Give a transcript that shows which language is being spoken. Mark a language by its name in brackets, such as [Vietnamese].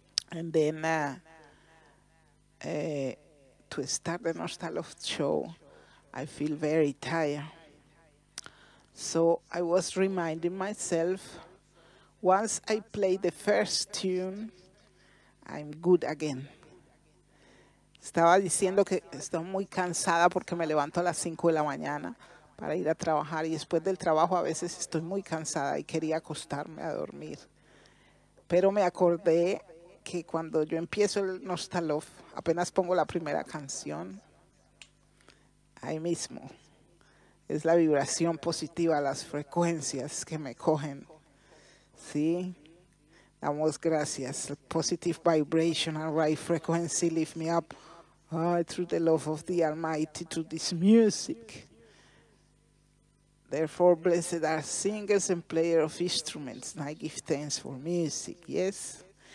[English] And then to start the Nurstalove show, I feel very tired. So I was reminding myself, once I play the first tune, I'm good again. [Spanish] Estaba diciendo que estoy muy cansada porque me levanto a las 5 de la mañana para ir a trabajar y después del trabajo a veces estoy muy cansada y quería acostarme a dormir. Pero me acordé que cuando yo empiezo el Nurstalove, apenas pongo la primera canción, ahí mismo, es la vibración positiva, las frecuencias que me cogen, ¿sí? Damos gracias, [English] positive vibration and right frequency lift me up, oh, through the love of the Almighty, through this music. Therefore, blessed are singers and players of instruments, and I give thanks for music, yes?